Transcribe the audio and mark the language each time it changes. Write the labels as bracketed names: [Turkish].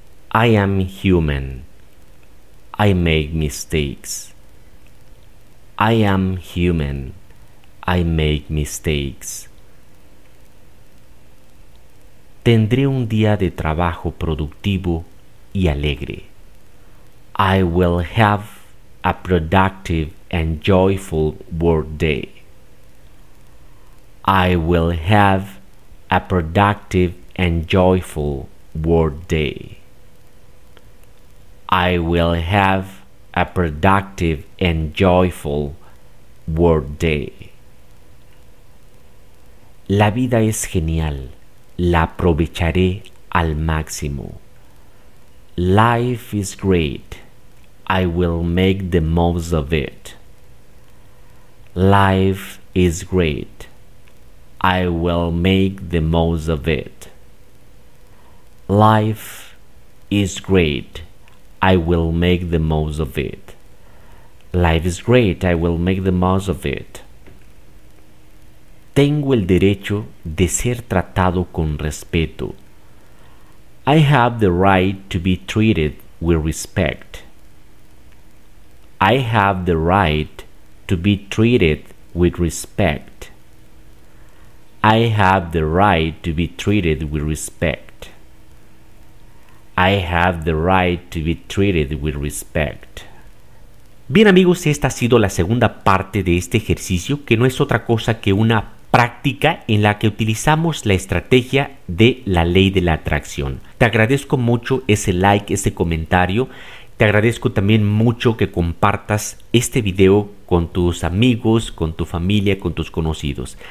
[English] I am human. I make mistakes. I am human. I make mistakes. [Spanish] Tendré un día de trabajo productivo y alegre. [English] I will have a productive and joyful work day. I will have a productive and joyful work day. I will have a productive and joyful work day. [Spanish] La vida es genial. La aprovecharé al máximo. [English] Life is great. I will make the most of it. Life is great. I will make the most of it. Life is great. I will make the most of it. Life is great, I will make the most of it. [Spanish] Tengo el derecho de ser tratado con respeto. [English] I have the right to be treated with respect. I have the right to be treated with respect. I have the right to be treated with respect. I have the right to be treated with respect. [Spanish] Bien amigos, esta ha sido la segunda parte de este ejercicio, que no es otra cosa que una práctica en la que utilizamos la estrategia de la ley de la atracción. Te agradezco mucho ese like, ese comentario. Te agradezco también mucho que compartas este video con tus amigos, con tu familia, con tus conocidos.